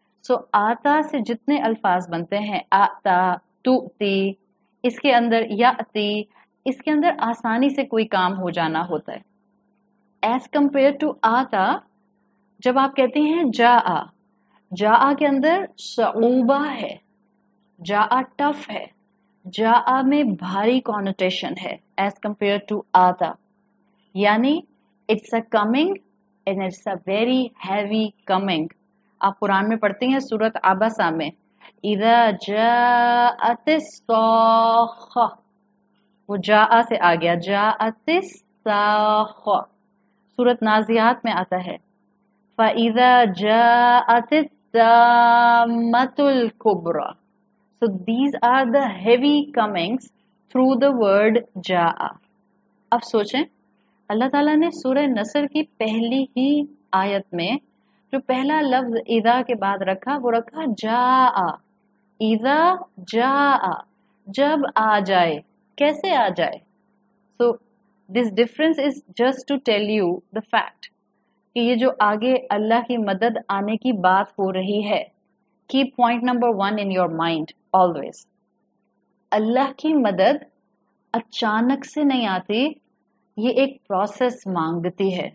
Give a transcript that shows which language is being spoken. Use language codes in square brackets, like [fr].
[ur] سو آتا سے جتنے الفاظ بنتے ہیں آتا, تؤتی, اس کے اندر یأتی, اس کے اندر آسانی سے کوئی کام ہو جانا ہوتا ہے. [en] as compare to [ur] آتا, جب آپ کہتے ہیں جا آ, جا آ کے اندر صعوبہ ہے, جا آ ٹف ہے, جا آ میں بھاری کانوٹیشن ہے ایز کمپیئر ٹو آتا. [en] یعنی it's a coming and it's a very heavy coming. [ur] آپ قرآن میں پڑھتے ہیں سورۃ عبسا میں [ar] اذا جاءت الصاخۃ, [ur] وہ جا آ سے آ گیا, جاءت الصاخۃ. سورۃ نازعات میں آتا ہے [ar] فَإِذَا جَاءَتِ الدَّامَّةُ الْكُبْرَى. [en] So these are the heavy comings through the word جا آ. [ur] اب سوچیں اللہ تعالیٰ نے سورہ نصر کی پہلی ہی آیت میں جو پہلا لفظ اذا کے بعد رکھا وہ رکھا جا آ. اذا جا آ, جب آ جائے, کیسے آ جائے. [en] so this difference is just to tell you the fact [ur] کہ یہ جو آگے اللہ کی مدد آنے کی بات ہو رہی ہے, [en] کی point number one in your mind always, [ur] اللہ کی مدد اچانک سے نہیں آتی, یہ ایک پروسیس مانگتی ہے.